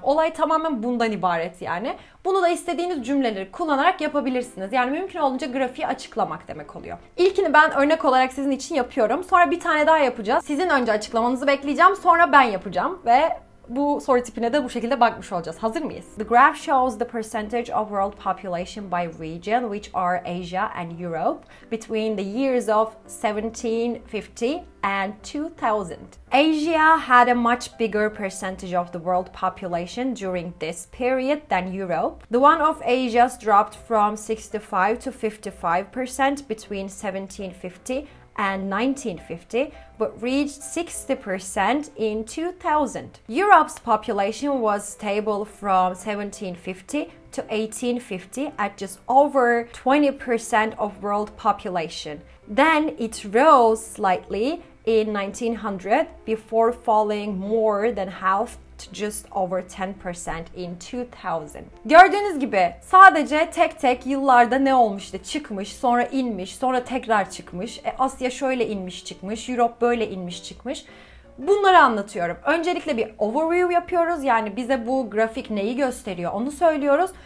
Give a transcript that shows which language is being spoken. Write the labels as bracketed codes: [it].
[tr] Olay tamamen bundan ibaret yani. Bunu da istediğiniz cümleleri kullanarak yapabilirsiniz. Yani mümkün olunca grafiği açıklamak demek oluyor. İlkini ben örnek olarak sizin için yapıyorum. Sonra bir tane daha yapacağız. Sizin önce açıklamanızı bekleyeceğim. Sonra ben yapacağım ve bu soru tipine de bu şekilde bakmış olacağız. Hazır mıyız? [en] The graph shows the percentage of world population by region, which are Asia and Europe, between the years of 1750 and 2000. Asia had a much bigger percentage of the world population during this period than Europe. The one of Asia's dropped from 65 to 55% between 1750 and 1950, but reached 60% in 2000. Europe's population was stable from 1750 to 1850 at just over 20% of world population. Then it rose slightly in 1900 before falling more than half to just over 10% in 2000. [tr] Gördüğünüz gibi sadece tek tek yıllarda ne olmuştu? Çıkmış, sonra inmiş, sonra tekrar çıkmış. Asya şöyle inmiş çıkmış, Europe böyle inmiş çıkmış. Bunları anlatıyorum. Öncelikle bir overview yapıyoruz. Yani bize bu grafik neyi gösteriyor onu söylüyoruz.